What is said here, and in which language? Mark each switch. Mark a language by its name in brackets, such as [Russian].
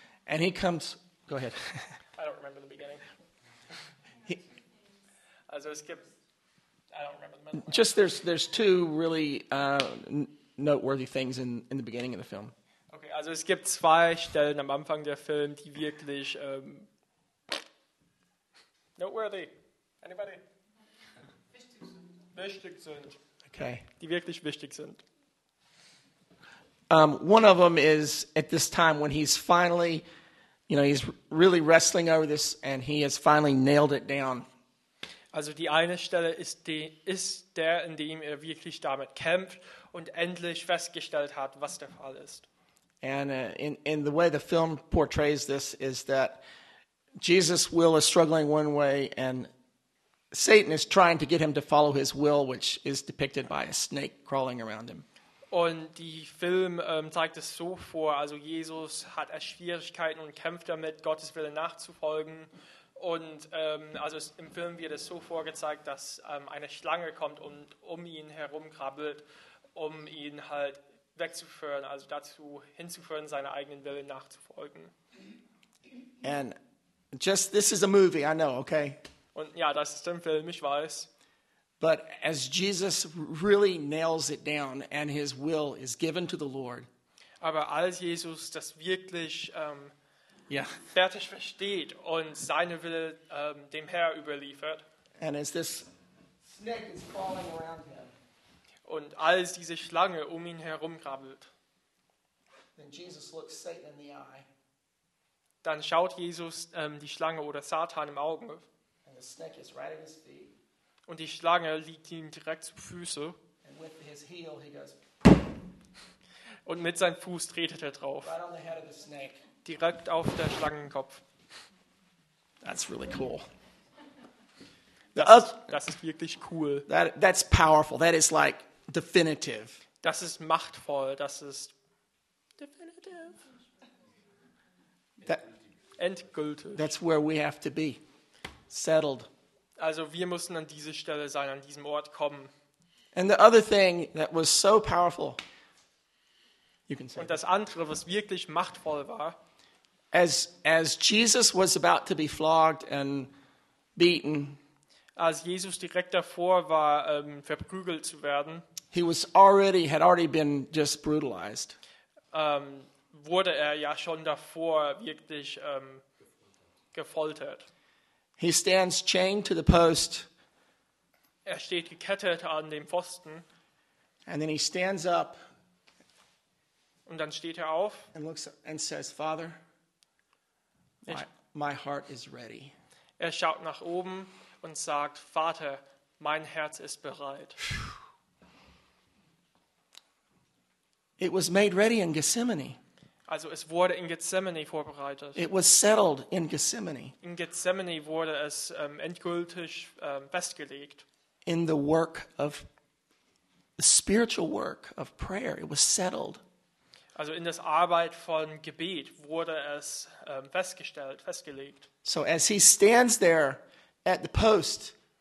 [English] And he comes, go ahead. I don't remember the beginning. [German] Also es gibt, [English] I don't remember the middle. Just there's two really noteworthy things in the beginning of the film. [German] Okay, also es gibt zwei Stellen am Anfang der Film, die wirklich noteworthy. [English] Anybody? [German] Wichtig sind. Okay. Die wirklich wichtig sind. [English] One of them is at this time when he's finally, you know, he's really wrestling over this and he has finally nailed it down. [German] Also die eine Stelle ist der, in dem er wirklich damit kämpft und endlich festgestellt hat, was der Fall ist. [English] And in the way the film portrays this is that Jesus' will is struggling one way and Satan is trying to get him to follow his will, which is depicted by a snake crawling around him. [German] Und die Film zeigt es so vor, also Jesus hat erst Schwierigkeiten und kämpft damit, Gottes Wille nachzufolgen. Und also im Film wird es so vorgezeigt, dass eine Schlange kommt und um ihn herumkrabbelt, um ihn halt wegzuführen, also dazu hinzuführen, seiner eigenen Willen nachzufolgen. [English] And just, this is a movie, I know, okay? [German] Und ja, das ist ein Film, ich weiß. [English] But as Jesus really nails it down and his will is given to the Lord. [German] Aber als Jesus das wirklich fertig versteht und seine Wille dem Herr überliefert. [English] And as this snake is crawling around him. [German] Und als diese Schlange um ihn herumkrabbelt. [English] Then Jesus looks Satan in the eye. [German] Dann schaut Jesus die Schlange oder Satan im Auge. [English] The snake is right at his feet. [German] Und die Schlange liegt ihm direkt zu Füßen. [English] And with his heel he goes. [German] Und mit seinem Fuß tretet drauf. [English] Right on the head of the snake. [German] Direkt auf der Schlangenkopf. [English] That's really cool. [German] Das ist wirklich cool. [English] That's powerful. That is like definitive. [German] Das ist machtvoll. Das ist definitive. Endgültig. [English] That's where we have to be. Settled. [German] Also wir müssen an diese Stelle sein, an diesem Ort kommen. [English] And the other thing that was so powerful, you can say. [German] Und das andere, was wirklich machtvoll war, [English] as Jesus was about to be flogged and beaten, [German] als Jesus direkt davor war, verprügelt zu werden, [English] he was already had already been just brutalized. [German] Wurde er ja schon davor wirklich gefoltert. [English] He stands chained to the post. [German] Er steht gekettet an dem Pfosten. [English] And then he stands up. [German] Und dann steht auf. [English] And looks and says, "Father, my heart is ready." [German] Er schaut nach oben und sagt, "Vater, mein Herz ist bereit." [English] It was made ready in Gethsemane. [German] Also es wurde in Gethsemane vorbereitet. [English] It was settled in Gethsemane. [German] In Gethsemane wurde es endgültig festgelegt. [English] In the work of the spiritual work of prayer, it was settled. [German] Also in das Arbeit von Gebet wurde es festgestellt, festgelegt. [English] So as he stands there at the post,